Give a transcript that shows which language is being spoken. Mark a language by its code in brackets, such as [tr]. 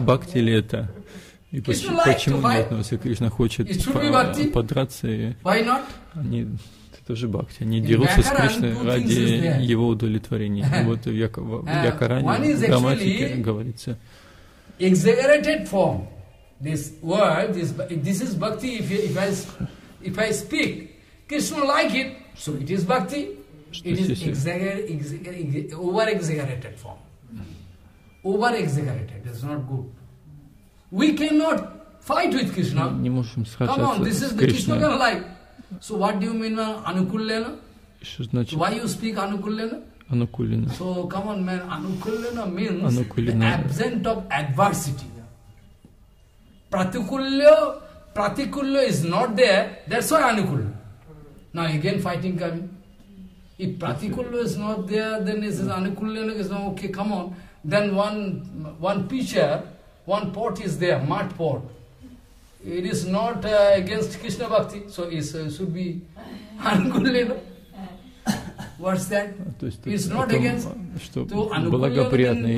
[ru] Бхакти ли это? И почему нет? Но если Кришна хочет подраться, они, это же бхакти, они дерутся с Кришной ради его удовлетворения. И вот в Вьякаране, в грамматике говорится. [en] Exaggerated form. This word, this is bhakti, if I speak, Krishna like it, so it is bhakti. It is over-exaggerated form. Over-exaggerated, it's not good. We cannot fight with Krishna. [ru] Не можем сражаться. [en] Come on, this is the Krishna gonna like. So what do you mean by anukullena? [ru] Что значит? [en] Why you speak anukullena? Anukullena. So come on, man. Anukullena means anukullena. The absence of adversity. Pratikulya is not there. That's why anukulla. Now again fighting coming. If pratikulya is not there, then it is anukullena. It's not okay. Come on. Then one pitcher. One pot is there, mud pot. It is not against Krishna Bhakti, so it should be anukulena. [ru] То есть это благоприятное